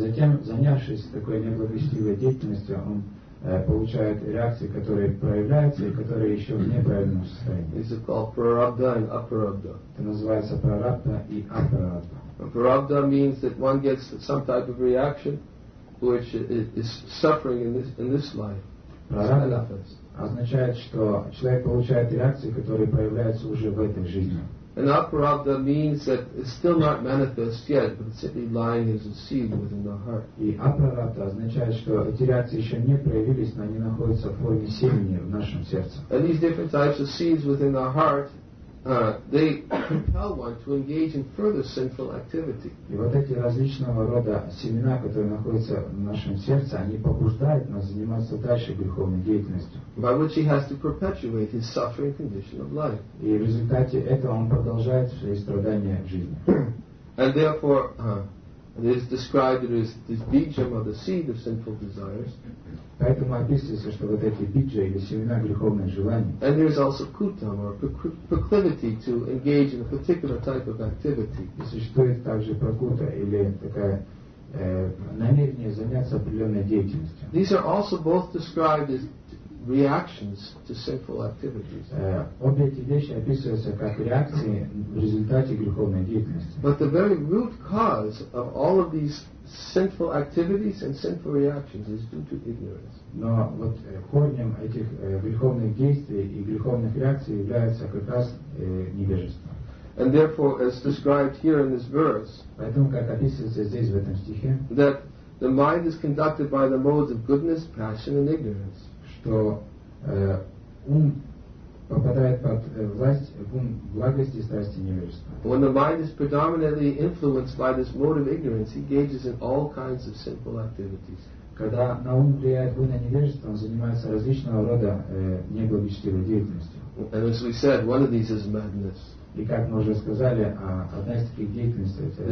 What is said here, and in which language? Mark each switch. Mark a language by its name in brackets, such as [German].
[Russian] И затем, занявшись такой неблагочестивой деятельностью, он получает реакции, которые проявляются и которые еще в неправильном состоянии. [English] It's called prarabdha and aprarabdha. [Russian] Это называется прарабдха и апрарабдха. [English] Prarabdha means that one gets some type of reaction which is suffering in this life. [Russian] Прарабдха означает, что человек получает реакции, которые проявляются уже в этой жизни. [English] And aprarabdha means that it's still not manifest yet, but it's simply lying as a seed within the heart. [Russian] И апрарабдха означает, что эти реакции еще не проявились, но они находятся в форме семени в нашем сердце. [English] And these different types of seeds within the heart, they compel one to engage in further sinful activity. [Russian] И вот эти различного рода семена, которые находятся в нашем сердце, они побуждают нас заниматься дальше греховной деятельностью. [English] By which he has to perpetuate his suffering condition of life. [Russian] И в результате этого он продолжает свои страдания в жизни. [English] And therefore, it is described that is this bija, or the seed of sinful desires. [Russian] Поэтому описывается, что вот эти биджа или семена греховных желаний. [English] And there is also kutam, or proclivity to engage in a particular type of activity. [Russian] И существует также прокута или такая намерение заняться определенной деятельностью. [English] These are also both described as reactions to sinful activities. [Russian] Обе эти вещи описываются как реакции в результате греховной деятельности. [English] But the very root cause of all of these sinful activities and sinful reactions is due to ignorance. [Russian] Но вот корнем этих греховных действий и греховных реакций является как раз невежество. [English] And therefore, as described here in this verse, [Russian] поэтому как описывается здесь в этом стихе, [English] that the mind is conducted by the modes of goodness, passion, and ignorance. [Russian] Что ум попадает под власть ум благости, страсти, невежества. [English] When the mind is predominantly influenced by this mode of ignorance, he engages in all kinds of sinful activities. [Russian] Когда на ум влияет гуна невежества, он занимается различного рода неблагочестивой деятельностью. [English] And as we said, one of these is madness. [Russian] И как мы уже сказали, одна из таких деятельностей это